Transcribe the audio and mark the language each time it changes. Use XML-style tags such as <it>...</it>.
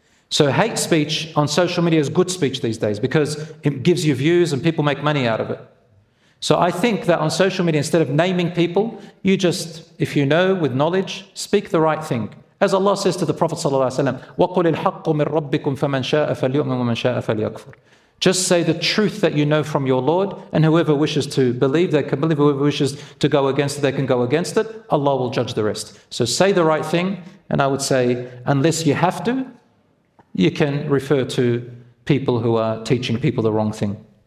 <en>So hate speech on social media is good speech these days because it gives you views and people make money out of it. So I think that on social media, instead of naming people, you just, if you know with knowledge, speak the right thing. As Allah says to the Prophet ﷺ,</en> <ar>وَقُلِ الْحَقُّ مِنْ رَبِّكُمْ فَمَنْ شَاءَ فَلْيُؤْمِنْ وَمَنْ شَاءَ فَلْيَكْفُرْ.</ar> <en>Just say the truth that you know from your Lord, and whoever wishes to believe, they can believe. Whoever wishes to go against it, they can go against it. Allah will judge the rest. So say the right thing, and I would say, unless you have to, you can refer to people who are teaching people the wrong thing.</en>